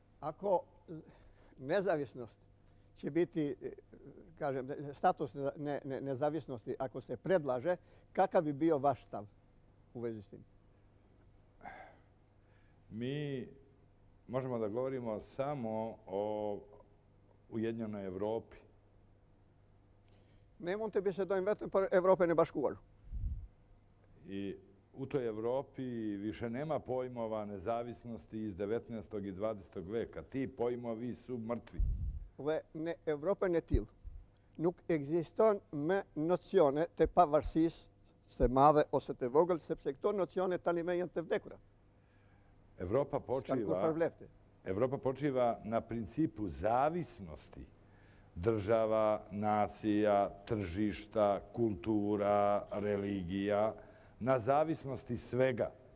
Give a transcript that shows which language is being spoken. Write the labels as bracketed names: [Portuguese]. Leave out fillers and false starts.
[Serbian] Ako nezavisnost që biti, kažem, status nezavisnosti, ako se predlaže, kakav bi bio vaš stav u vezi s tim? Mi možemo da govorimo samo o Ujedinjenoj Evropi. [Albanian] Ne mund të bisedojmë vetëm për Evropën e Bashkuar. [Serbian] I u toj Evropi više nema pojmova nezavisnosti iz 19. i 20. veka. Ti pojmovi su mrtvi. [Albanian] Dhe në Evropën e tillë nuk ekziston me nocione të pavarësisë së madhe ose të vogël, sepse këto nocione tani më janë të vdekura. [Serbian] Evropa počiva na principu zavisnosti država, nacija, tržišta, kultura, religija, na zavisnosti svega.